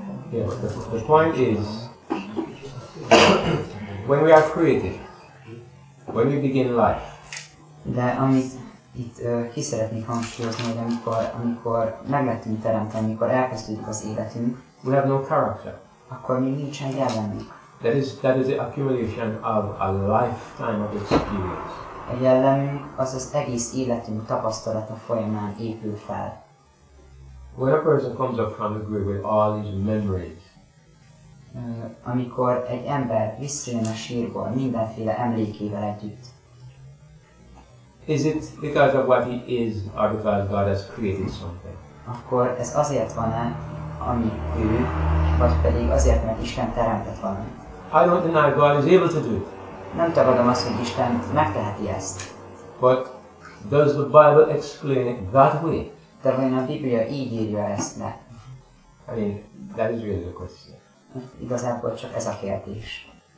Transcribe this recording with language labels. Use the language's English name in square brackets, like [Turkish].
[English] The point is, when we are created, when we begin life. [Hungarian] De amit itt ki szeretnék hangsúlyozni, hogy amikor meg lettünk teremteni, amikor elkezdődik az életünk, [English] we have no character. [Hungarian] Akkor még nincsen jellemünk. [English] That is the accumulation of a lifetime of experience. [Hungarian] A jellemünk az az egész életünk tapasztalata folyamán épül fel. [English] When a person comes up from the grave with all these memories. [Hungarian] Amikor egy ember visszajön a sírból mindenféle emlékével együtt. [English] Is it because of what he is or because God has created something? [Hungarian] Akkor ez azért van-e, ami ő, vagy pedig azért, mert Isten teremtett valamit? [English] I don't deny God is able to do it. [Hungarian] Nem tagadom azt, hogy Isten megteheti ezt. [English] But does the Bible explain it that way? [Hungarian] De vajon a Biblia így írja ezt le? [English] I mean, that is really the question. [Hungarian] Igazából csak ez a kérdés.